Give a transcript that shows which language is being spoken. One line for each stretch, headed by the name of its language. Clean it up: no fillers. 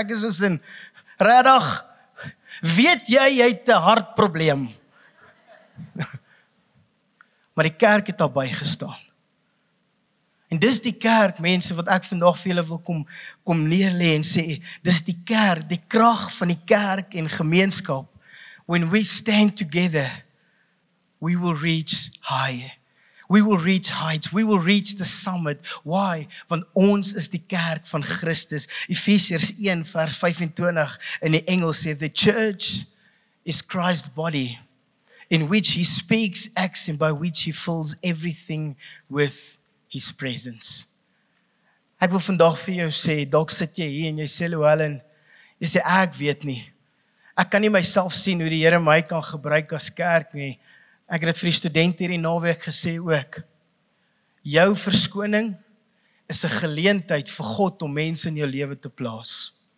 Afrikaans: Ek is in redag, weet jy het 'n hartprobleem. Maar die kerk het daarby gestaan. En dis die kerk, mense, wat ek vandag vir julle wil kom neerle en sê, dis die kerk, die krag van die kerk en gemeenskap.
English: When we stand together, we will reach high. We will reach heights, we will reach the summit. Why?
Afrikaans: Want ons is die kerk van Christus. Efesiërs 1 vers 25 in die Engels sê,
English: the church is Christ's body, in which he speaks, acts, and by which he fills everything with His presence.
Afrikaans: Ek wil vandag vir jou sê, dalk sit jy hier en jy sê, Luwellen, jy sê, ek weet nie. Ek kan nie myself sien hoe die Here my kan gebruik as kerk nie. Ek het vir die student hier die naweek gesê ook. Jou verskoning is 'n geleentheid vir God om mense in jou lewe te plaas.